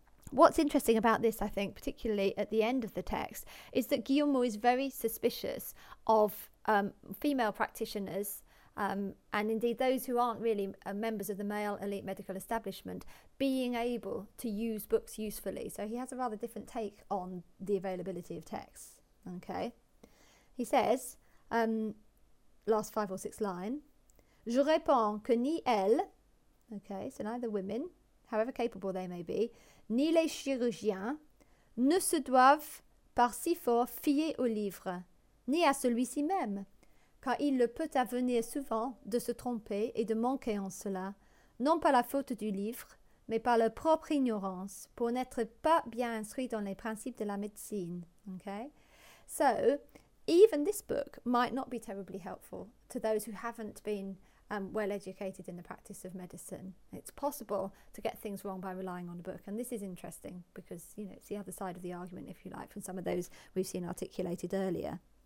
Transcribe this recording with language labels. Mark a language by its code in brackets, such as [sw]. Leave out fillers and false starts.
[en] What's interesting about this, I think, particularly at the end of the text, is that Guillaumeau is very suspicious of female practitioners, and indeed those who aren't really members of the male elite medical establishment, being able to use books usefully. So he has a rather different take on the availability of texts. Okay. He says, last five or six line, [fr] je réponds que ni elle, [en] okay, so neither women, however capable they may be, [fr] ni les chirurgiens, ne se doivent par si fort fier au livre, ni à celui-ci même, car il le peut avenir souvent de se tromper et de manquer en cela, non par la faute du livre, mais par leur propre ignorance, pour n'être pas bien instruit dans les principes de la médecine, okay? [en] So, even this book might not be terribly helpful to those who haven't been well educated in the practice of medicine. It's possible to get things wrong by relying on a book. And this is interesting because, you know, it's the other side of the argument, if you like, from some of those we've seen articulated earlier.